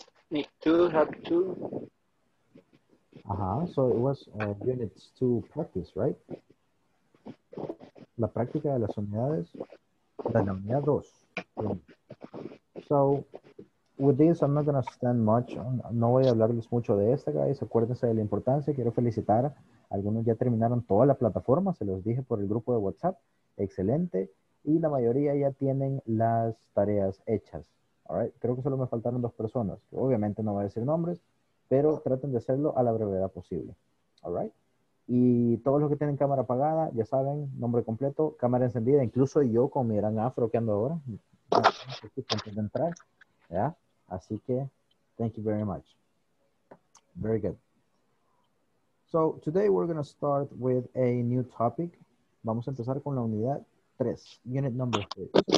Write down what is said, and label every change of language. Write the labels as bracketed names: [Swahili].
[English] Need to have to. Uh-huh. So it was units to practice, right? [Spanish] La práctica de las unidades. De la unidad dos. [English] So with this, I'm not going to stand much. [Spanish] No voy a hablarles mucho de esta, guys. Acuérdense de la importancia. Quiero felicitar. Algunos ya terminaron toda la plataforma. Se los dije por el grupo de WhatsApp. Excelente. y la mayoría ya tienen las tareas hechas. [English] All right. [Spanish] Creo que solo me faltaron dos personas. Obviamente no voy a decir nombres, pero traten de hacerlo a la brevedad posible. [English] All right. [Spanish] Y todos los que tienen cámara apagada, ya saben, nombre completo, cámara encendida. Incluso yo con mi gran afro que ando ahora. Antes de entrar. ¿Ya? Así que, [English] thank you very much. Very good. So, today we're going to start with a new topic. [Spanish] Vamos a empezar con la unidad 3, [English] unit number 3.